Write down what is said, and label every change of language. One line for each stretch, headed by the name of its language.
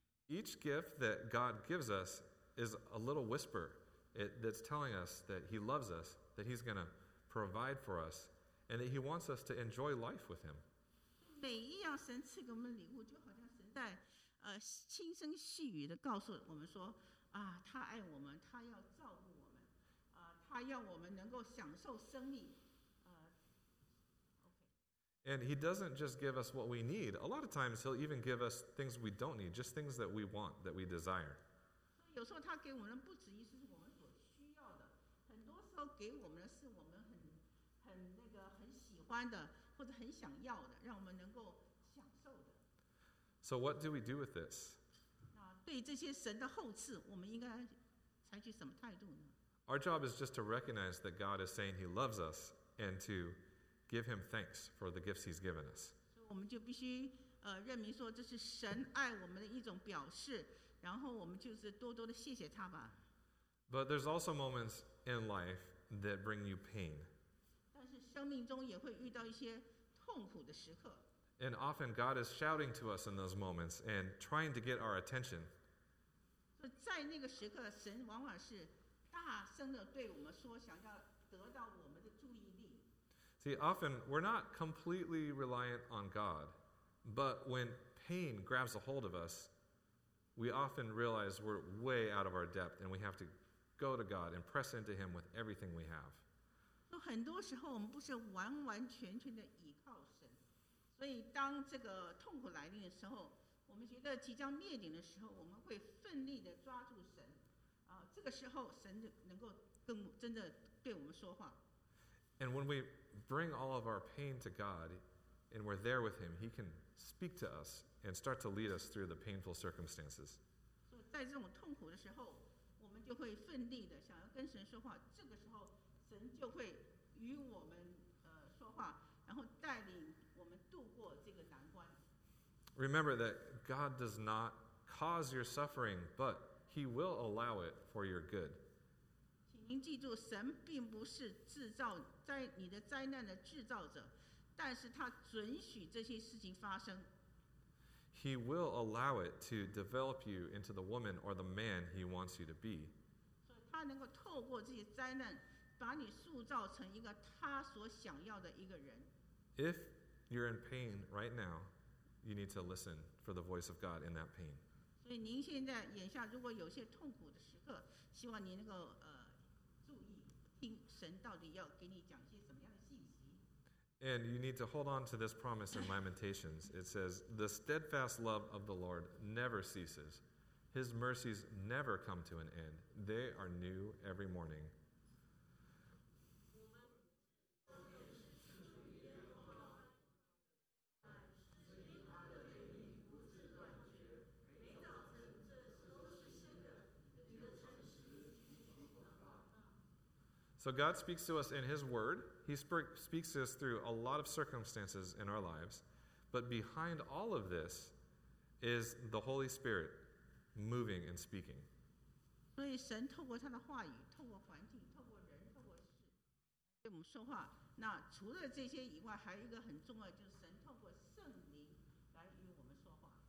English: Each gift that God gives us is a little whisper that's telling us that He loves us, that He's going to provide for us, and that He wants us to enjoy life with Him.
Chinese: 每一样神赐给我们礼物，就好像神在轻声细语的告诉我们说啊，他爱我们，他要照顾我们，他要我们能够享受生命。
English: And He doesn't just give us what we need. A lot of times, He'll even give us things we don't need, just things that we want, that we desire.
Chinese: 有时候他给我们不只是我们所需要的，很多时候给我们的是我们很喜欢的，或者很想要的，让我们能够享受的。
English: So what do we do with this?
Chinese: 那对这些神的厚赐，我们应该采取什么态度呢？
English: Our job is just to recognize that God is saying He loves us, and to give Him thanks for the gifts He's given us.
Chinese: 我们就必须认明说这是神爱我们的一种表示，然后我们就是多多的谢谢他吧。
English: But there's also moments in life that bring you pain.
Chinese: 但是生命中也会遇到一些痛苦的时刻。
English: And often God is shouting to us in those moments and trying to get our attention.
Chinese: 在那个时刻，神往往是大声的对我们说，想要得到我们的注意力。
English: See, often we're not completely reliant on God, but when pain grabs a hold of us, we often realize we're way out of our depth and we have to go to God and press into Him with everything we have.
Chinese: So, 很多时候我们不是完完全全的依靠神，所以当这个痛苦来临的时候，我们觉得即将灭顶的时候，我们会奋力的抓住神，这个时候神能够更真的对我们说话。
English: And when we bring all of our pain to God and we're there with Him, He can speak to us and start to lead us through the painful circumstances.
Chinese: So, 在这种痛苦的时候，我们就会奋力的想要跟神说话。这个时候，神就会与我们说话，然后带领我们度过这个难关。
English: Remember that God does not cause your suffering, but He will allow it for your good.
Chinese: 请您记住，神并不是制造灾你的灾难的制造者，但是他准许这些事情发生。
English: He will allow it to develop you into the woman or the man He wants you to be.
Chinese: 所以他他能够透过这些灾难把你塑造成一个他所想要的一个人。
English: If you're in pain right now, you need to listen for the voice of God in that pain.
Chinese: 所以您现在眼下如果有些痛苦的时刻，希望您能够注意听神到底要给你讲些什么样的信息。
English: And you need to hold on to this promise in Lamentations. It says, "The steadfast love of the Lord never ceases. His mercies never come to an end. They are new every morning." So God speaks to us in His Word. He speaks to us through a lot of circumstances in our lives. But behind all of this is the Holy Spirit moving and speaking.
Chinese: 所以神透过他的话语，透过环境，透过人，透过事，对我们说话。那除了这些以外，还有一个很重要，就是神透过圣灵来与我们说话。